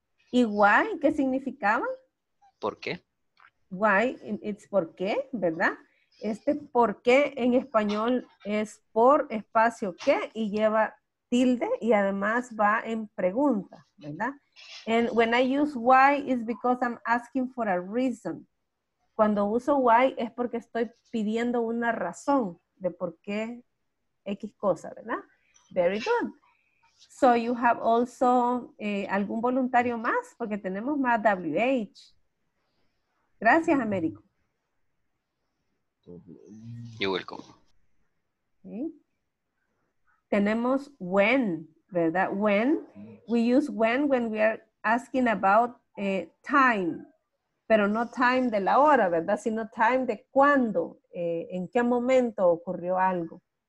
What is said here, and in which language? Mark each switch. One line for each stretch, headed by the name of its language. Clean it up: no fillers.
Spanish: Y why, ¿qué significaba? ¿Por qué? Why, it's por qué, ¿verdad? Este por qué en español es por espacio qué y lleva tilde y además va en pregunta, ¿verdad?
English: And when I use why, it's because I'm asking for a reason.
Spanish: Cuando uso why es porque estoy pidiendo una razón de por qué X cosa, ¿verdad?
English: Very good. So you have also
Spanish: algún voluntario más porque tenemos más WH. Gracias, Américo.
English: You're welcome.
Spanish: Okay. Tenemos when, ¿verdad?
English: When, we use when we are asking about time,
Spanish: pero no time de la hora, ¿verdad? Sino time de cuándo, en qué momento ocurrió algo.